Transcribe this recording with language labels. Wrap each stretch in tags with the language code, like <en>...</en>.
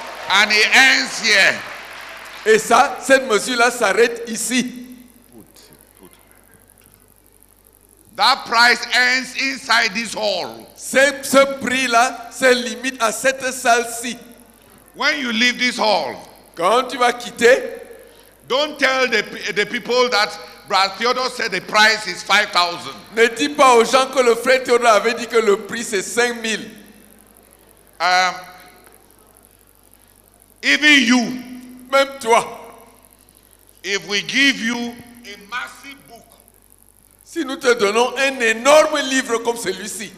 <en>And it ends here.</en> <fr>Et ça, cette mesure-là s'arrête ici.</fr> <en>That price ends inside this hall.</en> <fr>Ce prix-là se limite à cette salle-ci.</fr> <en>When you leave this hall,</en> <fr>quand tu vas quitter,</fr> <en>don't tell the people that Brother Theodore said the price is 5,000.</en> <fr>Ne dis pas aux gens que le frère Theodore avait dit que le prix c'est 5,000.</fr> <en>Even you,</en> <fr>même toi,</fr> <en>if we give you a massive book,</en> <fr>si nous te donnons un énorme livre comme celui-ci,</fr>